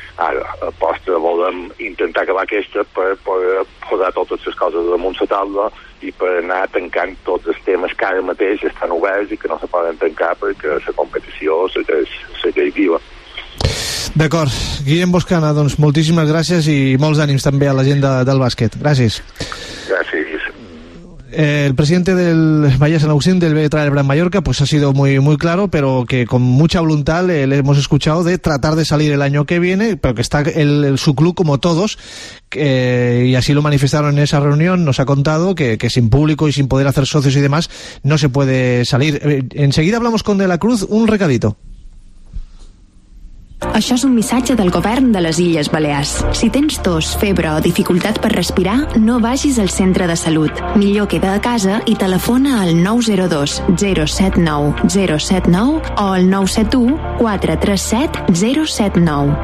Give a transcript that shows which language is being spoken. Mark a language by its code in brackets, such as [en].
[ca] Ara, aposta, volem intentar acabar aquesta per poder posar totes les coses damunt la taula i per anar tancant tots els temes que ara mateix estan oberts i que no se poden tancar perquè la competició segueix viva. D'acord, Guillem Boscana, doncs moltíssimes gràcies i molts ànims també a la gent del bàsquet. Gràcies. Gràcies. [es] El presidente del Bahía San Agustín, del Betrae del Gran Mallorca, pues ha sido muy, muy claro, pero que con mucha voluntad le hemos escuchado de tratar de salir el año que viene, pero que está su club como todos, y así lo manifestaron en esa reunión, nos ha contado que sin público y sin poder hacer socios y demás no se puede salir. Enseguida hablamos con De la Cruz, un recadito. [ca] Això és un missatge del govern de les Illes Balears. Si tens tos, febre o dificultat per respirar, no vagis al centre de salut. Millor queda a casa i telefona al 902 079 079 o al 971 437 079.